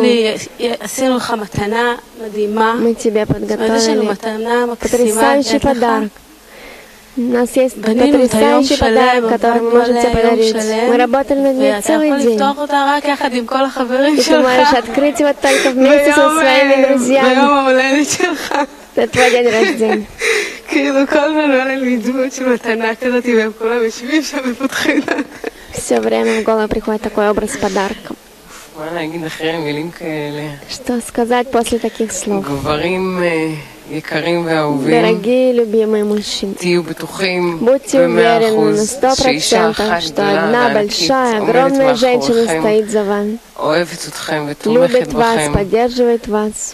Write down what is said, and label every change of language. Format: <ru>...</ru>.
<ru>Мы тебе подготовили потрясающий подарок. У нас есть потрясающий подарок, который мы можем тебе подарить. Мы работали над ней целый день. И ты можешь открыть его только вместе со своими друзьями. Это твой день рождения.</ru> <he>כאילו כל מה נראה לי דמות של מתנה כזאת והם כולם יושבים שם ופותחים</he> <ru>все время в голову приходит такой образ подарка.</ru> <he>מה להגיד אחרי מילים כאלה?</he> <ru>Что сказать после таких слов?</ru> <he>גברים יקרים ואהובים,</he> <ru>дорогие любимые мужчины,</ru> <he>תהיו בטוחים,</he> <ru>будьте уверены на 100%, что одна большая огромная женщина стоит за вами,</ru> <he>אוהבת אתכם ותומכת בכם,</he> <ru>любит вас, поддерживает вас,</ru>